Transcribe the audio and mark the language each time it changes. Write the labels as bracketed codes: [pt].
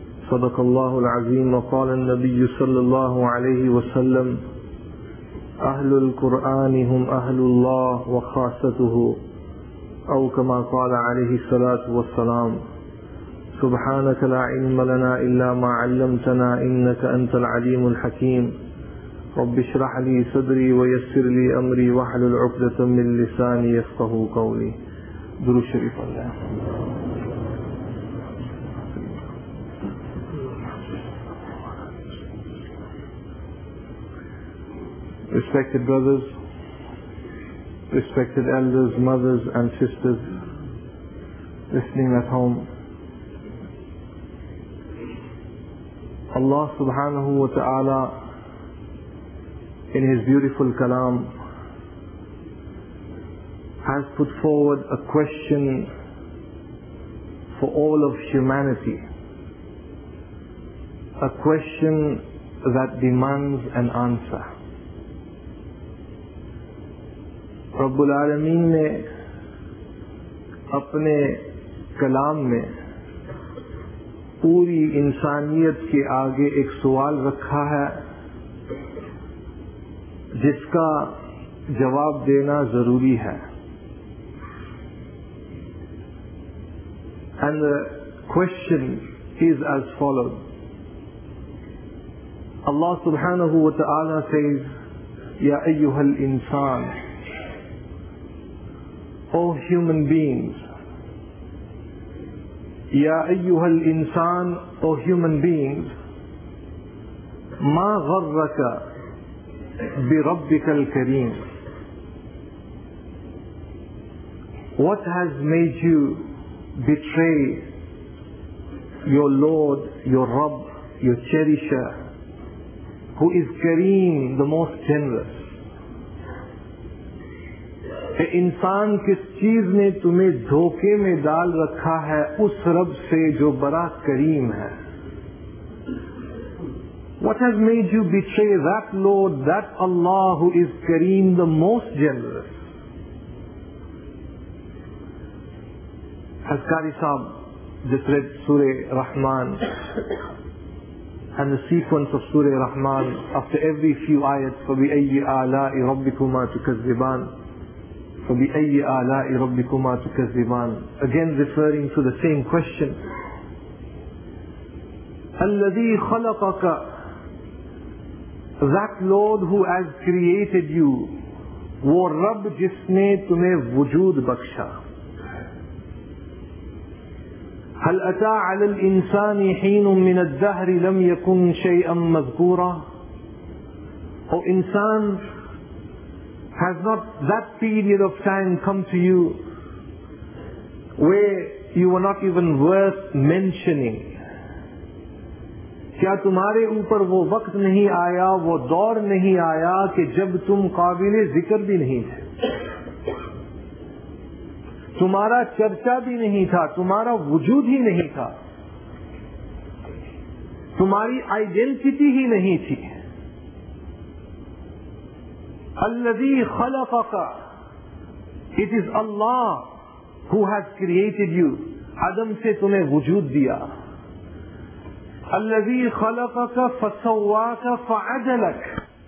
[ar] صدق الله العظيم. وقال النبي صلى الله عليه وسلم: أهل القرآن هم أهل الله وخاصته، أو كما قال عليه الصلاة والسلام: سبحانك لا علم لنا إلا ما علمتنا إنك أنت العليم الحكيم، رب اشرح لي صدري ويسر لي أمري واحلل عقدة من لساني يفقه قولي. درود شريف. [en] الله Respected brothers, respected elders, mothers and sisters listening at home, Allah subhanahu wa ta'ala in His beautiful kalam has put forward a question for all of humanity, a question that demands an answer. [ur] رب العالمین نے اپنے کلام میں پوری انسانیت کے آگے ایک سوال رکھا ہے جس کا جواب دینا ضروری ہے. [en] And the question is as follows. Allah [ar] سبحانہ وتعالی [en] says: [ar] یا ایہا الانسان، [en] O human beings, [ar] Ya ayyuhal insan, [en] O human beings, [ar] ma gharraka bi rabbika al-kareem, [en] what has made you betray your Lord, your Rabb, your Cherisher, who is Kareem, the most generous? [ur] کہ انسان کس چیز نے تمہیں دھوکے میں ڈال رکھا ہے اس رب سے جو بڑا کریم ہے. [en] What has made you betray that Lord, that Allah who is Kareem, the most generous? [ur] حضرت قاری صاحب جس [en] read سورہ Rahman and the sequence of سورہ Rahman after every few آیتس [ar] فَبِأَيِّ آلَاءِ رَبِّكُمَا تُكَذِّبَانِ [en] فَبِأَيِّ آلَاءِ رَبِّكُمَا تُكَذِّبَانِ, again referring to the same question. [ar] الَّذِي خَلَقَكَ, [en] that Lord who has created you, [ur] وہ رب جس نے تمہیں وجود بخشا. [ar] هَلْ أَتَى عَلَى الْإِنسَانِ حِينٌ مِّنَ الدَّهْرِ لَمْ يَكُنْ شَيْئًا مَذْكُورًا, [ur] او انسان, [en] has not that period of time come to you where you were not even worth mentioning? [ur] کیا تمہارے اوپر وہ وقت نہیں آیا, وہ دور نہیں آیا کہ جب تم قابل ذکر بھی نہیں تھے, تمہارا چرچا بھی نہیں تھا, تمہارا وجود ہی نہیں تھا, تمہاری آئیڈینٹیٹی ہی نہیں تھی. [ar] الذي خلقك, [en] it is Allah who has created you, Adam [ur] سے تمہیں وجود دیا. [ar] الذي خلقك فسواك فعدلك.